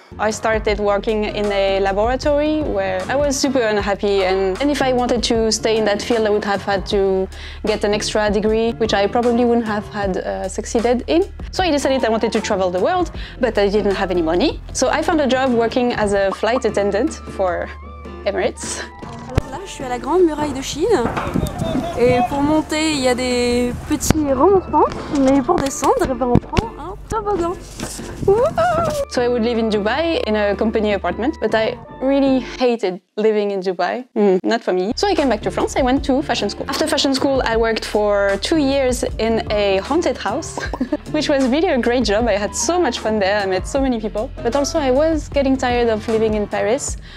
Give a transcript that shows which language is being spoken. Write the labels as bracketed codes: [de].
[en] I started working in a laboratory where I was super unhappy and if I wanted to stay in that field, I would have had to get an extra degree, which I probably wouldn't have had succeeded in. So I decided I wanted to travel the world, but I didn't have any money. So I found a job working as a flight attendant for Emirates. [fr] Alors là, je suis à la Grande Muraille de Chine. Et pour monter, il y a des petits remontants, mais pour descendre, on prend un toboggan. [en] So I would live in Dubai in a company apartment, but I really hated living in Dubai. Not for me. So I came back to France. I went to fashion school. After fashion school, I worked for 2 years in a haunted house, which was really a great job. I had so much fun there. I met so many people. But also I was getting tired of living in Paris.